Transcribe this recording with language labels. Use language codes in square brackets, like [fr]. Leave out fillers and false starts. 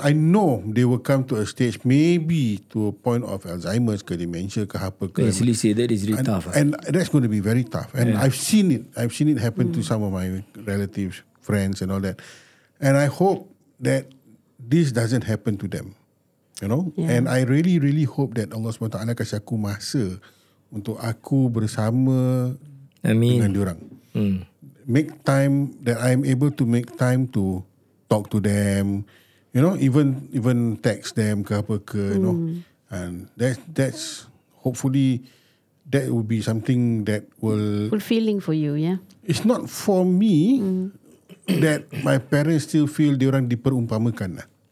[en] I know they will come to a stage, maybe to a point of Alzheimer's, ke dementia, [ms] ke apa ke. [en] Basically, say that is really tough. And that's going to be very tough. And yeah. I've seen it happen to some of my relatives, friends, and all that. And I hope that this doesn't happen to them, you know. Yeah. And I really, really hope that [ms] Allah SWT kasih aku masa untuk aku bersama dengan diorang. [en] Make time that I'm able to make time to talk to them, you know, even text them [ms] ke apa ke, [en] you know. And that's hopefully that will be something that will fulfilling for you. Yeah, it's not for me that my parents still feel [ms] diorang diperumpamakan lah.